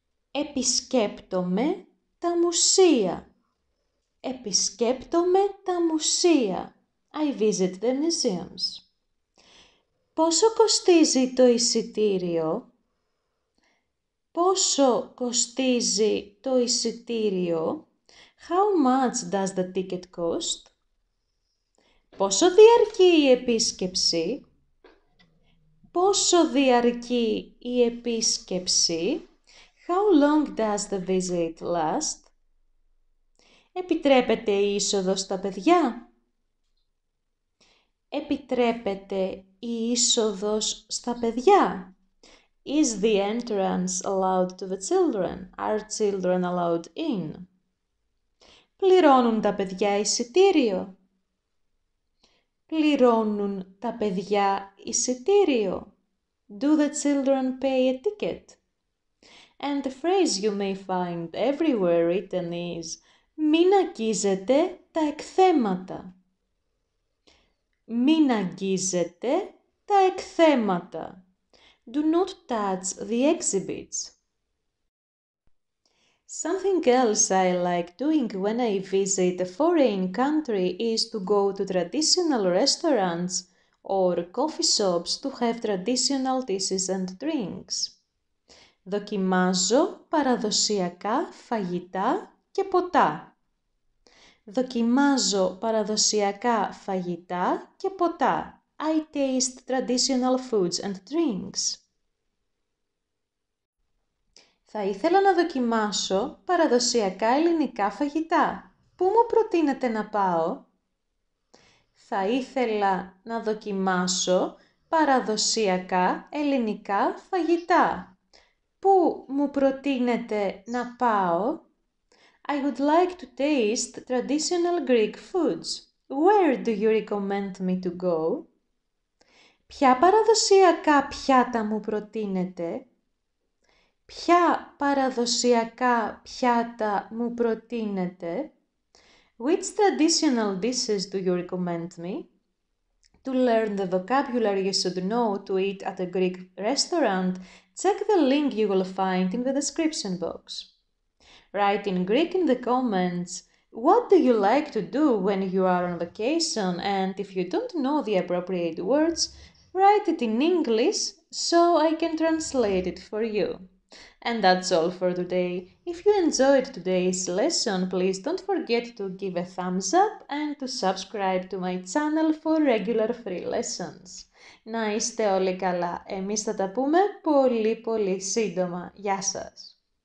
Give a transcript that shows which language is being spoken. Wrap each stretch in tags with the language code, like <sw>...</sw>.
<el>Επισκέπτομαι τα μουσεία. Επισκέπτομαι τα μουσεία.</el> <en>I visit the museums.</en> <el>Πόσο κοστίζει το εισιτήριο? Πόσο κοστίζει το εισιτήριο?</el> <en>How much does the ticket cost?</en> <el>Πόσο διαρκεί η επίσκεψη? Πόσο διαρκεί η επίσκεψη?</el> <en>How long does the visit last?</en> <el>Επιτρέπεται η είσοδο στα παιδιά? Επιτρέπεται η είσοδο στα παιδιά?</el> <en>Is the entrance allowed to the children? Are children allowed in?</en> <el>Πληρώνουν τα παιδιά εισιτήριο? Πληρώνουν τα παιδιά εισιτήριο?</el> <en>Do the children pay a ticket? And the phrase you may find everywhere written is</en> <el>«Μην αγγίζετε τα εκθέματα». Μην αγγίζετε τα εκθέματα.</el> <en>Do not touch the exhibits. Something else I like doing when I visit a foreign country is to go to traditional restaurants or coffee shops to have traditional dishes and drinks.</en> <el>Δοκιμάζω παραδοσιακά φαγητά και ποτά. Δοκιμάζω παραδοσιακά φαγητά και ποτά.</el> <en>I taste traditional foods and drinks.</en> <el>Θα ήθελα να δοκιμάσω παραδοσιακά ελληνικά φαγητά. Πού μου προτείνετε να πάω? Θα ήθελα να δοκιμάσω παραδοσιακά ελληνικά φαγητά. Πού μου προτείνετε να πάω?</el> <en>I would like to taste traditional Greek foods. Where do you recommend me to go?</en> <el>Ποια παραδοσιακά πιάτα μου προτείνετε? Ποια παραδοσιακά πιάτα μου προτείνετε?</el> <en>Which traditional dishes do you recommend me? To learn the vocabulary you should know to eat at a Greek restaurant, check the link you will find in the description box. Write in Greek in the comments. What do you like to do when you are on vacation? And if you don't know the appropriate words, write it in English so I can translate it for you. And that's all for today. If you enjoyed today's lesson, please don't forget to give a thumbs up and to subscribe to my channel for regular free lessons.</en> <el>Να είστε όλοι καλά. Εμείς θα τα πούμε πολύ πολύ σύντομα. Γεια σας!</el>